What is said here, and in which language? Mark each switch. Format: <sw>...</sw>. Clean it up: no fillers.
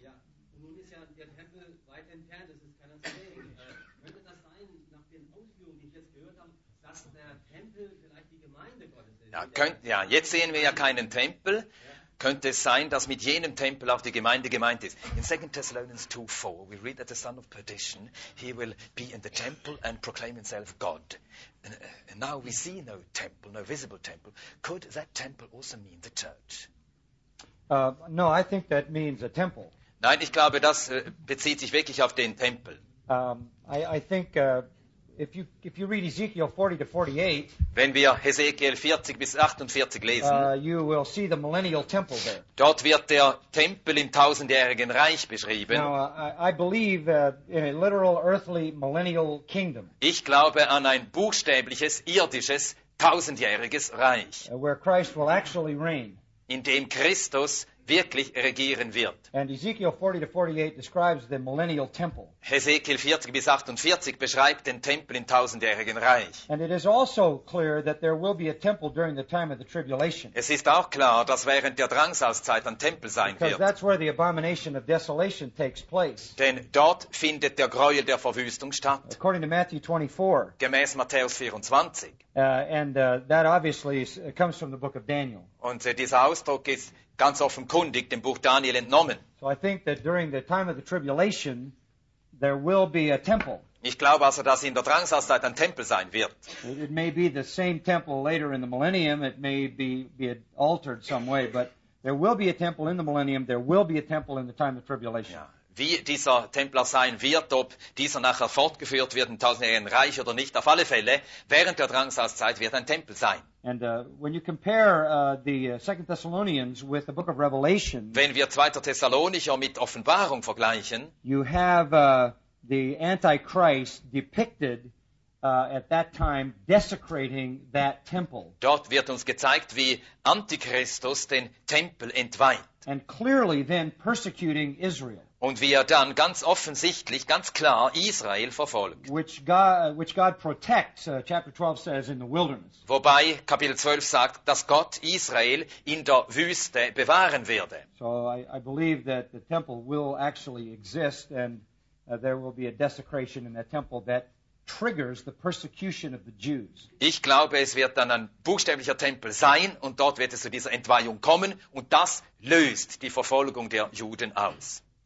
<de>Ja, und nun ist ja der Tempel weit entfernt, das ist keiner zu sehen. Könnte das sein, nach den Ausführungen, die ich jetzt gehört habe, dass der Tempel vielleicht die Gemeinde Gottes ist? Ja, jetzt sehen wir ja keinen Tempel. Ja. Könnte es sein, dass mit jenem Tempel auch die Gemeinde gemeint ist?</de> <en>In 2. Thessalonians 2, 4, we read that the son of perdition, he will be in the temple and proclaim himself God. And now we see no temple, no visible temple. Could that temple also mean the church? No, I think that means a temple.</en> <de>Nein, ich glaube, das bezieht sich wirklich auf den Tempel.</de> <en>I think if you read Ezekiel 40-48,</en> <de>wenn wir Hesekiel 40 bis 48 lesen,</de> <en>you will see the millennial temple there.</en> <de>Dort wird der Tempel im tausendjährigen Reich beschrieben.</de> <en>Now, I believe in a literal earthly millennial kingdom.</en> <de>Ich glaube an ein buchstäbliches, irdisches, tausendjähriges Reich,</de> <en>where Christ will actually reign,</en> <de>in dem Christus wirklich regieren wird.</de> <en>And Ezekiel 40-48 describes the millennial temple.</en> <de>Hesekiel 40 bis 48 beschreibt den Tempel im tausendjährigen Reich.</de> <en>And it is also clear that there will be a temple during the time of the tribulation.</en> <de>Es ist auch klar, dass während der Drangsalszeit ein Tempel sein</de> <en>Because that's where the abomination of desolation takes place.</en> <de>Denn dort findet der Gräuel der Verwüstung statt.</de> <en>According to Matthew 24.</en> <de>Gemäß Matthäus 24.</de> <en>That obviously comes from the book of Daniel.</en> <de>Und dieser Ausdruck ist ganz offenkundig dem Buch Daniel entnommen.</de> <en>So I think that during the time of the tribulation there will be a temple.</en> <de>Ich glaube also, dass in der Drangsalszeit ein Tempel sein wird.</de> <en>It may be the same temple later in the millennium, it may be altered some way, but there will be a temple in the millennium, there will be a temple in the time of tribulation.</en> <de>Ja. Wie dieser Templer sein wird, ob dieser nachher fortgeführt wird im tausendjährigen Reich oder nicht, auf alle Fälle, während der Drangsalszeit wird ein Tempel sein.</de> <en>And when you compare the 2 Thessalonians with the book of Revelation,</en> <de>wenn wir 2. Thessalonicher mit Offenbarung vergleichen,</de> <en>you have the Antichrist depicted at that time desecrating that temple.</en> <de>Dort wird uns gezeigt, wie Antichristus den Tempel entweiht.</de> <en>And clearly then persecuting Israel.</en> <de>Und wie er dann ganz offensichtlich, ganz klar Israel verfolgt.</de> <en>Which God protects, chapter 12 says, in the wilderness.</en> <de>Wobei Kapitel 12 sagt, dass Gott Israel in der Wüste bewahren werde.</de> <en>So I believe that the temple will actually exist and there will be a desecration in that temple that triggers the persecution of the Jews.</en> <de>Ich glaube, es wird dann ein buchstäblicher Tempel sein und dort wird es zu dieser Entweihung kommen und das löst die Verfolgung der Juden aus.</de>